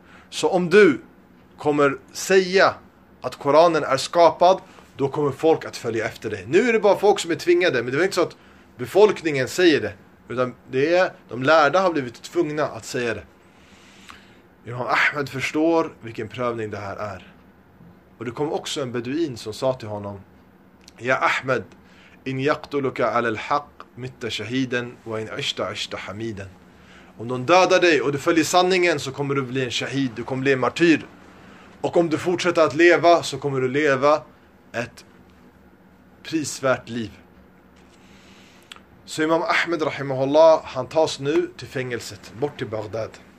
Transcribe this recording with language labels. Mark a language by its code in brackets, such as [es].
[sv] Så om du kommer säga att Koranen är skapad, då kommer folk att följa efter dig. Nu är det bara folk som är tvingade, men det är inte så att befolkningen säger det, utan det är de lärda har blivit tvungna att säga det. Imam Ahmed förstår vilken prövning det här är. Och det kom också en beduin som sa till honom: [ar] يا أحمد إن يقتلك على الحق مت شهيدا وإن عشت عشت حميدا. [sv] Om någon dödar dig och du följer sanningen så kommer du bli en shahid, du kommer bli en martyr. Och om du fortsätter att leva så kommer du leva ett prisvärt liv. Så Imam Ahmed rahimahullah, han tas nu till fängelset, bort till Baghdad.